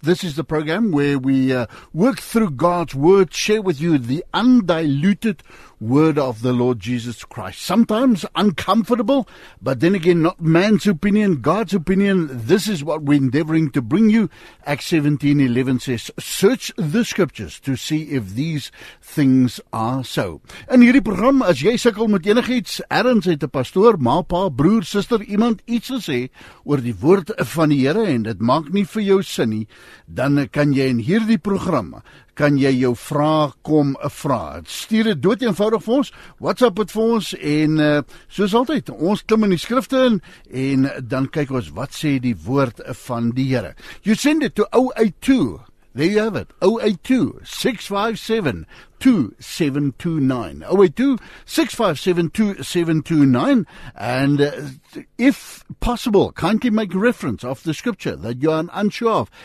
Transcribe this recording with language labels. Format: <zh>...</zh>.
<en>This is the program where we work through God's word, share with you the undiluted word of the Lord Jesus Christ. Sometimes uncomfortable, but then again, not man's opinion, God's opinion. This is what we're endeavoring to bring you. Acts 17:11 says, search the scriptures to see if these things are so.</en> <af>In hierdie program, as jy sukkel met enigiets, erns het 'n pastoor, ma, pa, broer, suster, iemand iets te sê oor die woord van die Here en dit maak nie vir jou sin nie, dan kan jy in hierdie program kan jy jou vraag kom vraag. Stuur dit dood eenvoudig vir ons, WhatsApp het vir ons, en soos altyd, ons klim in die skrifte in, en dan kyk ons, wat sê die woord van die Here.</af> <en>You send it to 082, there you have it, 082-657-2729, 082-657-2729, and if possible, kindly make reference of the scripture that you are unsure of.</en>